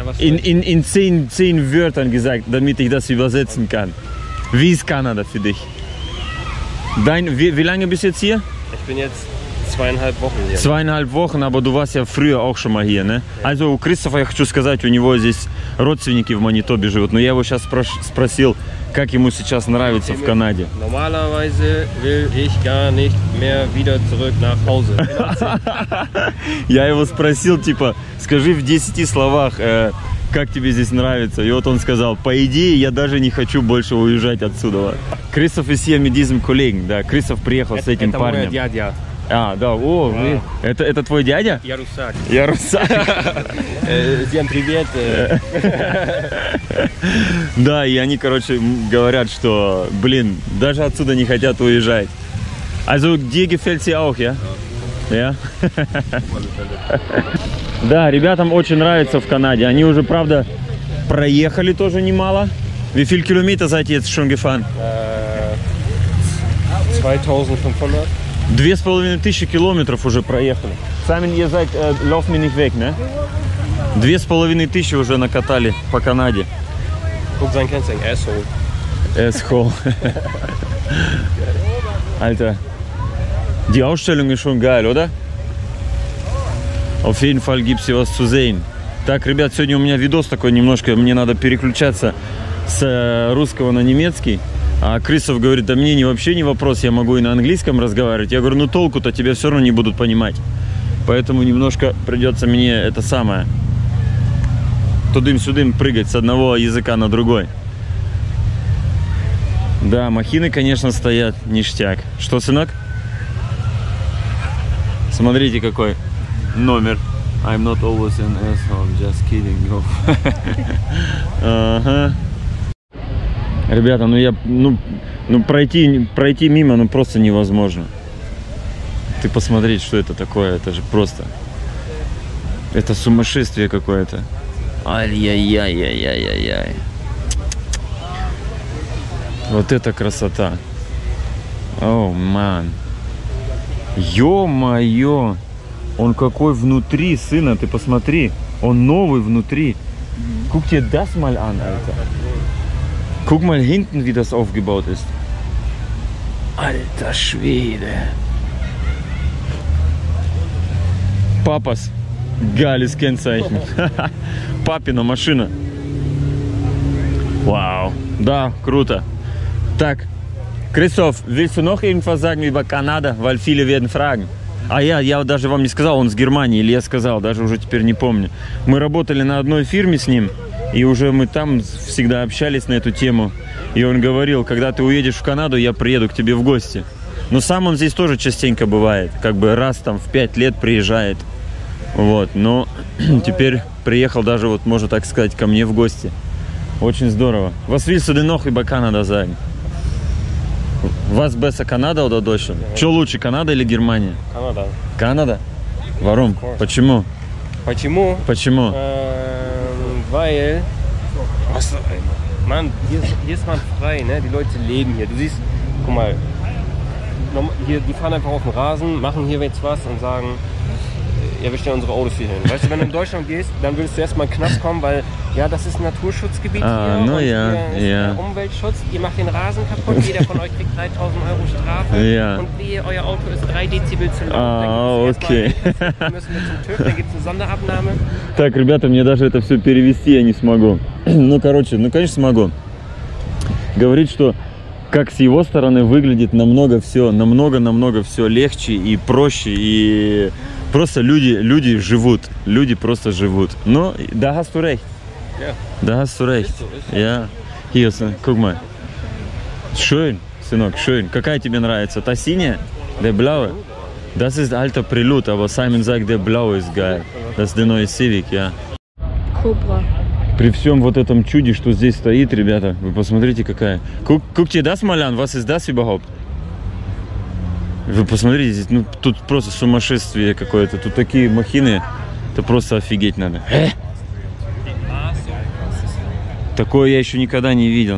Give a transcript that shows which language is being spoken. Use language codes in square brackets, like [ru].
[de] In 10 Wörtern gesagt, damit ich das übersetzen kann. Wie ist Kanada für dich? Wie lange bist du jetzt hier? Ich bin jetzt 2,5 Wochen hier. 2,5 Wochen, aber du warst ja früher auch schon mal hier, ne? Ja. Also, Christopher, ich möchte sagen, [ru] у него здесь родственники в Манитобе живут, но я его сейчас спросил, как ему сейчас нравится в Канаде. [de] Normalerweise will ich gar nicht mehr wieder zurück nach Hause. [ru] Я его спросил, типа, скажи в 10 словах, как тебе здесь нравится. И вот он сказал, по идее, я даже не хочу больше уезжать отсюда. Кристоф из Сиэми Дизм Коллег, да, Кристоф приехал с этим парнем. Это мой дядя. А, да, о, да. Вы. Это твой дядя? Ярусак. Ярусак. Всем привет. Да, и они, короче, говорят, что, блин, даже отсюда не хотят уезжать. [de] Also, где gefällt dir auch, ja? Ja? [ru] Да, ребятам очень нравится в Канаде. Они уже, правда, проехали тоже немало. [de] Wie viel Kilometer seid ihr jetzt schon gefahren? 2500. [ru] 2500 километров уже проехали. Самин, я зайк, лёв ми них век, не? 2500 уже накатали по Канаде. [de] Guck, sein Kennzeichen, asshole. [en] Asshole. [de] Alter. Die Ausstellung ist schon geil, oder? Auf jeden Fall gibt's hier was zu sehen. [ru] Так, ребят, сегодня у меня видос такой немножко, мне надо переключаться с русского на немецкий. А Крисов говорит, да мне не вообще не вопрос, я могу и на английском разговаривать. Я говорю, ну толку-то, тебя все равно не будут понимать. Поэтому немножко придется мне это самое, тудым-сюдым прыгать с одного языка на другой. Да, махины, конечно, стоят ништяк. Что, сынок? Смотрите, какой номер. [en] I'm not always an asshole, I'm just kidding. [ru] Ребята, ну я, ну пройти мимо, ну просто невозможно. Ты посмотри, что это такое, это же просто. Это сумасшествие какое-то. Ай-яй-яй-яй-яй-яй. Вот это красота. Оу, ман. Ё-моё. Он какой внутри, сына, ты посмотри. Он новый внутри. [de] Guck dir das mal an, Alter. Guck mal hinten, wie das aufgebaut ist. Alter Schwede. Papas. Geiles Kennzeichen. Papina Maschine. Wow. [ru] Da, круто. [de] Так, Christoph, willst du noch irgendwas sagen über Kanada? Weil viele werden fragen. [ru] А я даже вам не сказал, он с Германии, или я сказал, даже уже теперь не помню. Мы работали на одной фирме с ним. И уже мы там всегда общались на эту тему. И он говорил, когда ты уедешь в Канаду, я приеду к тебе в гости. Но сам он здесь тоже частенько бывает. Как бы раз там в 5 лет приезжает. Вот, но теперь приехал даже, вот можно так сказать, ко мне в гости. Очень здорово. [de] Was willst du denn noch über Kanada sagen? Was besser, Канада oder Deutschland? [ru] Что лучше, Канада или Германия? Канада. Канада? [de] Warum? [ru] Почему? Почему? Почему? [de] Weil... Was? Man, hier ist man frei, ne? Die Leute leben hier. Du siehst, guck mal, hier, die fahren einfach auf den Rasen, machen hier jetzt was und sagen, ja, wir stellen unsere Autos hier hin. Weißt du, wenn du in Deutschland gehst, dann würdest du erstmal in den Knast kommen, weil, ja, das ist ein Naturschutzgebiet hier. No, und ja, hier ist ja. Umweltschutz. Ihr macht den Rasen kaputt, jeder von euch kriegt 3000 Euro Strafe. Ja. Und wie, euer Auto ist 3 Dezibel zu laut. Okay. Wir müssen mit zum TÜV, dann gibt es eine Sonderabnahme. [ru] Так, ребята, мне даже это все перевести я не смогу. Ну, короче, ну, конечно, смогу. Говорит, что как с его стороны выглядит намного все, намного-намного все легче и проще. И просто люди живут. Люди просто живут. Ну, да, [de] hast du recht. [ru] Да, [de] hast du recht. Я, hier, guck mal. Schön, [ru] сынок, [de] schön. [ru] Какая тебе нравится? Та синяя? [de] Der blaue? Das ist alter Prelud, aber Simon sagt, der blaue ist geil. Das ist der neue Civic, ja. Cobra. [ru] При всем вот этом чуде, что здесь стоит, ребята, вы посмотрите, какая. [de] Guckt ihr das mal an, was ist das überhaupt? [ru] Вы посмотрите, здесь, ну, тут просто сумасшествие какое-то. Тут такие махины, это просто офигеть надо. Такое я еще никогда не видел.